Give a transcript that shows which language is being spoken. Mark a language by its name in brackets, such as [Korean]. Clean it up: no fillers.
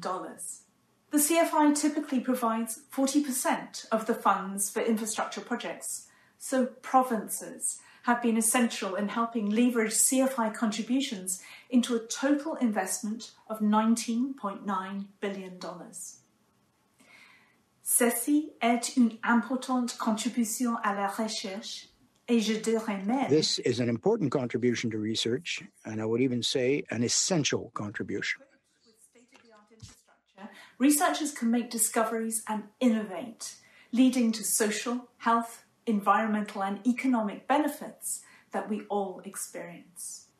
[English] The CFI typically provides 40% of the funds for infrastructure projects, so provinces have been essential in helping leverage CFI contributions into a total investment of $19.9 billion. [French] Ceci est une importante contribution à la recherche. [English] This is an important contribution to research, and I would even say an essential contribution. Researchers can make discoveries and innovate, leading to social, health, environmental and economic benefits that we all experience.